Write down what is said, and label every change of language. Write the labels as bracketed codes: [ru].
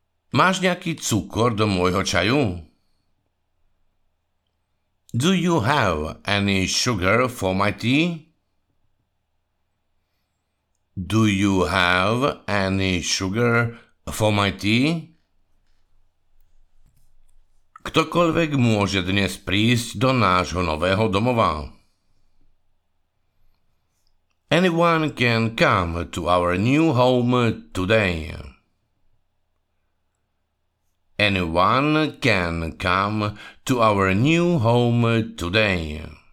[sk] Máš nejaký cukor do môjho čaju? [en] Do you have any sugar for my tea? Do you have any sugar for my tea? [sk] Ktokoľvek môže dnes prísť do nášho nového domova. [en] Anyone can come to our new home today. Anyone can come to our new home today.